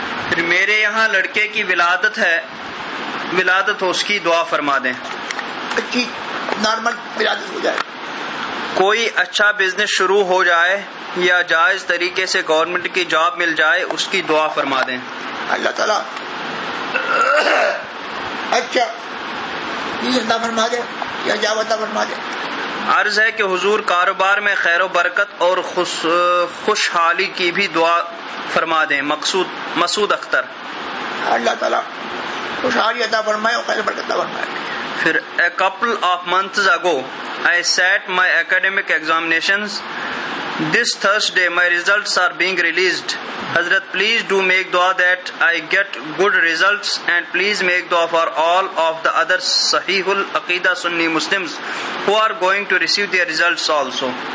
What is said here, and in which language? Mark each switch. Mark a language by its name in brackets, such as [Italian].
[Urdu] پھر میرے یہاں لڑکے کی ولادت ہے، ولادت ہو اس کی دعا فرما دیں، اچھی نارمل ولادت ہو جائے۔ کوئی اچھا بزنس شروع ہو جائے یا جائز طریقے سے گورنمنٹ کی جاب مل جائے اس کی دعا فرما دیں۔ اللہ تعالیٰ اچھا فرما دے یا جاوتا فرما دے۔ عرض ہے کہ حضور کاروبار میں خیر و برکت اور خوشحالی کی بھی دعا فرما دیں، مسعود اختر۔ اللہ تعالیٰ خوشحالی عطا فرمائے اور خیر و برکت عطا فرمائے۔ [English] پھر a couple of months ago I sat my academic examinations, this Thursday my results are being released, Hazrat please do make دعا that I get good results, and please make دعا for all of the other صحیح العقیدہ Sunni Muslims who are going to receive their results also.